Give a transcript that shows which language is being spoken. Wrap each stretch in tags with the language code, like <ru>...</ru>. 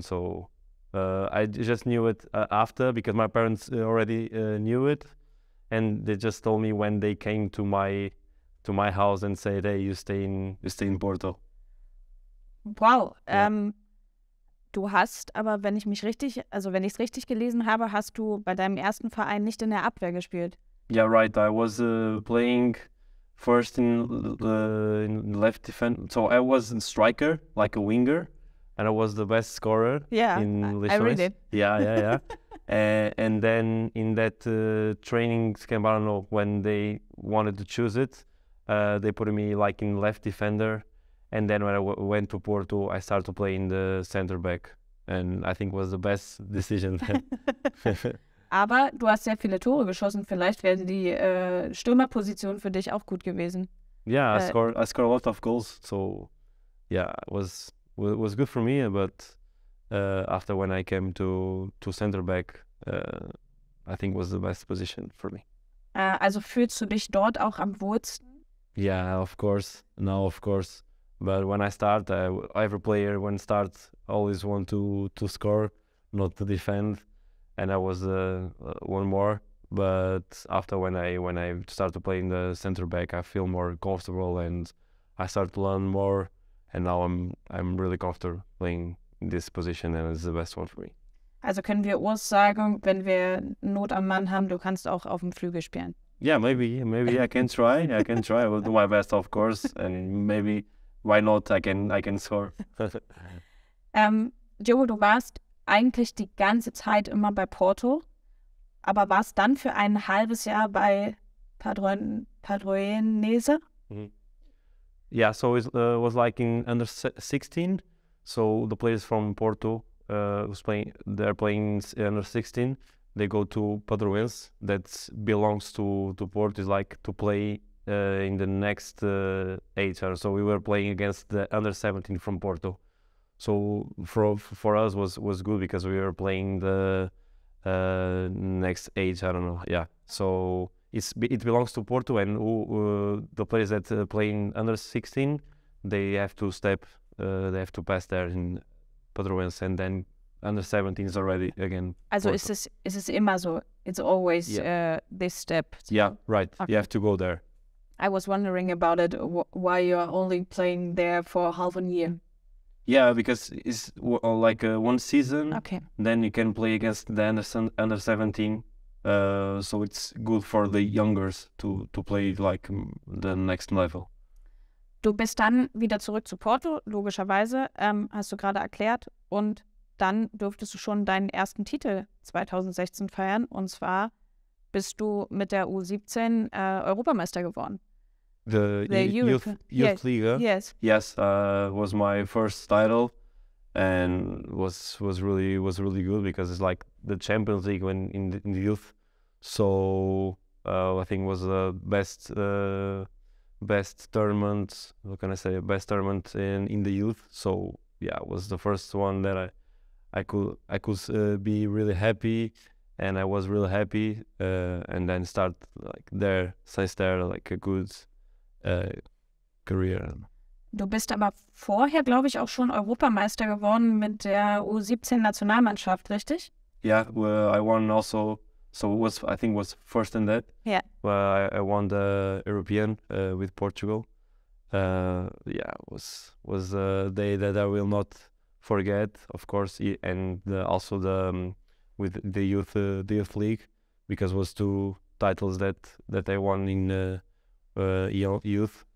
<en>So I just knew it after, because my parents already knew it, and they just told me when they came to my house and said, hey, you stay in Porto. Wow. Yeah.</en> <de>Du hast aber, wenn ich es richtig gelesen habe, hast du bei deinem ersten Verein nicht in der Abwehr gespielt.</de> <en>Yeah, right. I was playing first in left defense. So I was a striker, like a winger, and I was the best scorer. Yeah, in I read it. Yeah. and then in that training camp, I don't know, when they wanted to choose it, they put me like in left defender, and then when I went to Porto, I started to play in the center back, and I think it was the best decision then.</en> <de>Aber du hast sehr viele Tore geschossen, vielleicht wäre die Stürmerposition für dich auch gut gewesen.</de> <en>Yeah, I scored a lot of goals, so yeah, it was good for me, but after when I came to center back, I think was the best position for me.</en> <de>Also fühlst du dich dort auch am wohlsten?</de> <en>Yeah, of course. No, of course. But when I start, every player when starts always want to score, not to defend. And I was one more. But after when I start to play in the center back, I feel more comfortable and I start to learn more. And now I'm really comfortable playing in this position and it's the best one for me.</en> <de>Also können wir Urs sagen, wenn wir Not am Mann haben, du kannst auch auf dem Flügel spielen.</de> <en>Yeah, maybe I can try. I can try. I will do my best, of course. And maybe, why not? I can score.</en> <de>Joe, du warst eigentlich die ganze Zeit immer bei Porto, aber warst dann für ein halbes Jahr bei Padroenese?</de> <en>Yeah, so it was like in under 16. So the players from Porto, they're playing under 16. They go to Padroense, that belongs to Porto, is like to play in the next age. So we were playing against the under 17 from Porto. So for us was good because we were playing the next age. I don't know. Yeah. So it belongs to Porto, and the players that play in under 16, they have to step, they have to pass there in Padroense, and then under 17 is already again. Also, Porto. Is this</en> <de>immer so?</de> <en>It's always this step. So. Yeah, right. Okay. You have to go there. I was wondering about it. Why you are only playing there for half a year? Yeah, because it's like one season. Okay. Then you can play against the under 17. So it's good for the youngers to play like the next level.</en> <de>Du bist dann wieder zurück zu Porto, logischerweise, hast du gerade erklärt. Und dann durftest du schon deinen ersten Titel 2016 feiern. Und zwar bist du mit der U17 Europameister geworden.</de> <en>The Youth League. Yes. Yes, was my first title. And was really good because it's like the Champions League when in the youth, so I think was the best tournament. What can I say? Best tournament in the youth. So yeah, it was the first one that I could be really happy, and I was really happy. And then start like there since there like a good career.</en> <de>Du bist aber vorher, glaube ich, auch schon Europameister geworden mit der U17-Nationalmannschaft, richtig?</de> <en>Yeah, well, I won also. So it was, I think, was first in that. Yeah. Well, I won the European with Portugal. Yeah, was a day that I will not forget, of course, and also the with the youth league, because it was two titles that I won in youth.</en>